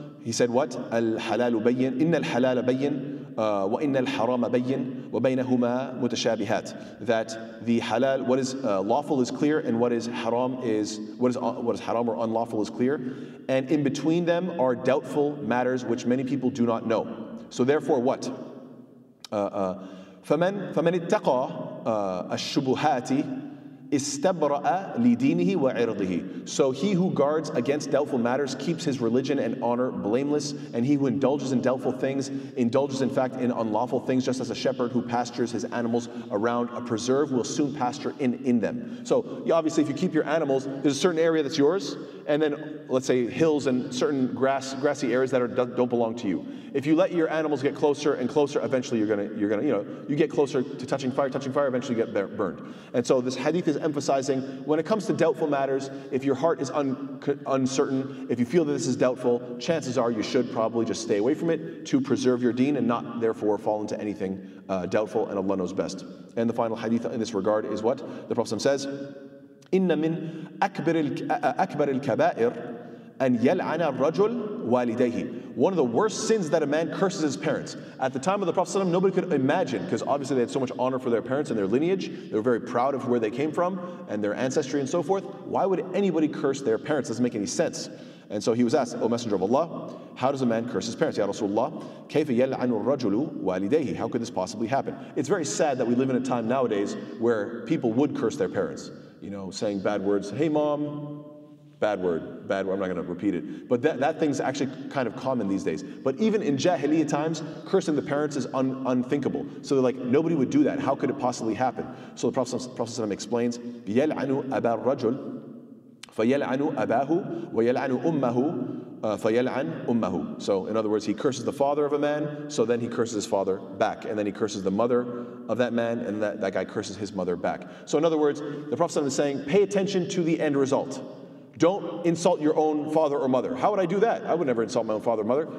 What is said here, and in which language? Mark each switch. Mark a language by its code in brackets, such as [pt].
[en] He said what? [ar] Al halal bayyin, inna al halal bayyin, wa inna al haram bayyin, وبينهما متشابهات. [en] That the halal, what is lawful, is clear, and what is haram is what is haram or unlawful is clear, and in between them are doubtful matters which many people do not know. So therefore, what? [ar] فمن اتقى الشبهات استبرأ لدينه وعرضه. [en] So he who guards against doubtful matters keeps his religion and honor blameless, and he who indulges in doubtful things indulges in fact in unlawful things, just as a shepherd who pastures his animals around a preserve will soon pasture in them. So obviously, if you keep your animals, there's a certain area that's yours, and then let's say hills and certain grassy areas that don't belong to you. If you let your animals get closer and closer, eventually you're gonna you get closer to touching fire, eventually you get burned. And so this hadith is emphasizing, when it comes to doubtful matters, if your heart is uncertain, if you feel that this is doubtful, chances are you should probably just stay away from it to preserve your deen and not therefore fall into anything doubtful, and Allah knows best. And the final hadith in this regard is what? The Prophet says, [ar] إن من أكبر الكبائر أن يلعن الرجل والديه. [en] One of the worst sins that a man curses his parents. At the time of the Prophet ﷺ, nobody could imagine, because obviously they had so much honor for their parents and their lineage. They were very proud of where they came from and their ancestry and so forth. Why would anybody curse their parents? It doesn't make any sense. And so he was asked, O Messenger of Allah, how does a man curse his parents? [ar] Ya Rasulullah, كيف يلعن الرجل والديه? [en] How could this possibly happen? It's very sad that we live in a time nowadays where people would curse their parents. You know, saying bad words, hey mom, bad word, I'm not gonna repeat it. But that thing's actually kind of common these days. But even in Jahiliyyah times, cursing the parents is unthinkable. So they're like, nobody would do that. How could it possibly happen? So the Prophet ﷺ explains, [ar] يَلْعَنُ أَبَا الرَّجُلْ فَيَلْعَنُ أَبَاهُ وَيَلْعَنُ أُمَّهُ فَيَلْعَن أُمَّهُ. [en] So in other words, he curses the father of a man, so then he curses his father back, and then he curses the mother of that man, and that guy curses his mother back. So in other words, the Prophet is saying, pay attention to the end result. Don't insult your own father or mother. How would I do that? I would never insult my own father or mother.